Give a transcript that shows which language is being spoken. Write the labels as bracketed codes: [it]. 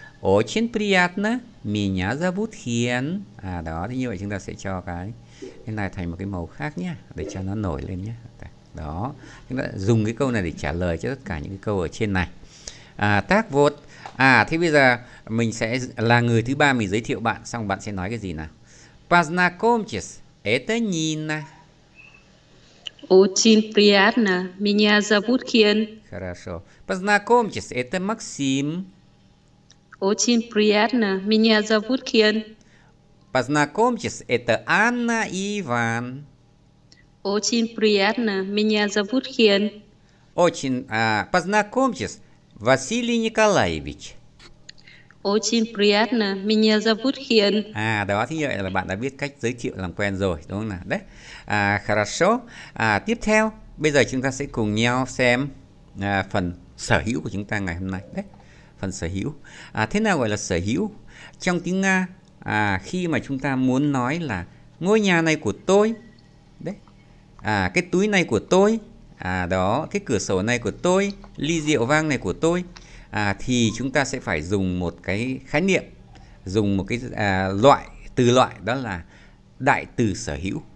[ru] Очень приятно. Меня зовут Хиен. À, đó. [vi] Thế như vậy chúng ta sẽ cho cái này thành một cái màu khác nhé. Để cho nó nổi lên nhé. Так. Đó. Chúng ta dùng cái câu này để trả lời cho tất cả những cái câu ở trên này. [ru] À, так вот. [vi] À, thế bây giờ mình sẽ là người thứ ba mình giới thiệu bạn, xong bạn sẽ nói cái gì nào? [ru] Познакомьтесь, это Нина. Очень приятно, меня зовут Хиен. Хорошо. Познакомьтесь, это Максим. Очень приятно, меня зовут Хиен. Познакомьтесь, это Анна и Иван. Очень приятно. Меня зовут Хен. Очень, познакомьтесь, Василий Николаевич. Очень приятно. Меня зовут Хен. [vi] À, đó thì vậy là bạn đã biết cách giới thiệu làm quen rồi, đúng không nào? [ru] Đấy. À, хорошо. [vi] À, tiếp theo, bây giờ chúng ta sẽ cùng nhau xem phần sở hữu của chúng ta ngày hôm nay. Đấy, phần sở hữu. À, thế nào gọi là sở hữu? Trong tiếng Nga, khi mà chúng ta muốn nói là ngôi nhà này của tôi, đấy, cái túi này của tôi, đó, cái cửa sổ này của tôi, ly rượu vang này của tôi, thì chúng ta sẽ phải dùng một cái khái niệm, dùng một cái loại từ loại, đó là đại từ sở hữu.